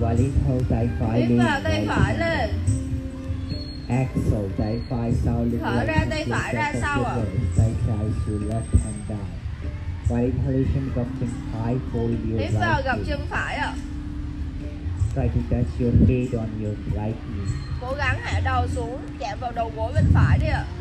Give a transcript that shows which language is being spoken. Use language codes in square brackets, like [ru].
[en] While inhale, [vi] tay phải lên. Hít vào tay phải lên. [en] Exhale, [vi] tay phải sau lên. Thở ra tay phải ra sau ạ. Tay trái xuống [en] left hand down. While inhalation, [vi] gập chân phải, [en] fold your right. [vi] Hít vào gập chân phải ạ. [en] Try to touch your head on your right knee. [vi] Cố gắng hạ đầu xuống, chạm vào đầu gối bên phải đi ạ.